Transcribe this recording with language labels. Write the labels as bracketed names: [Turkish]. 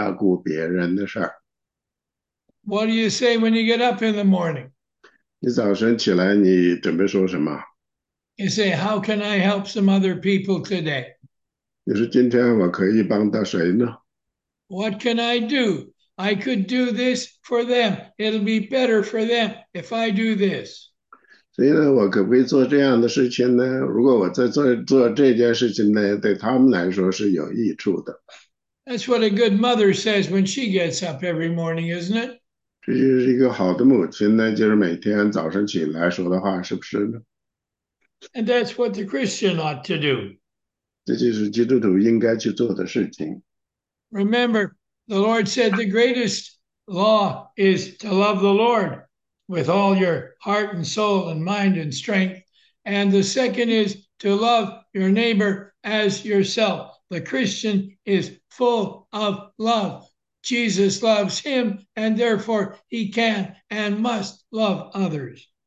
[Chinese] 因此，第四节说呢，个人不要单顾自己的事儿，也要顾别人的事儿。 [English] What do you say when you get up in the morning? [Chinese] 你早晨起来，你准备说什么？ [English] You say, how can I help some other people today? [Chinese] 你说今天我可以帮到谁呢？ [English] What can I do? I could do this for them. It'll be better for them if I do this. [Chinese] 所以呢，我可不可以做这样的事情呢？如果我在做这件事情呢， 对他们来说是有益处的。 [English] That's what a good mother says when she gets up every morning, isn't it? [Chinese] 这就是一个好的母亲呢， 就是每天早晨起来说的话，是不是呢？ [English] And that's what the Christian ought to do. [Chinese] 这就是基督徒应该去做的事情。 [English] Remember, the Lord said the greatest law is to love the Lord with all your heart and soul and mind and strength. And the second is to love your neighbor as yourself. The Christian is full of love. Jesus loves him, and therefore he can and must love others.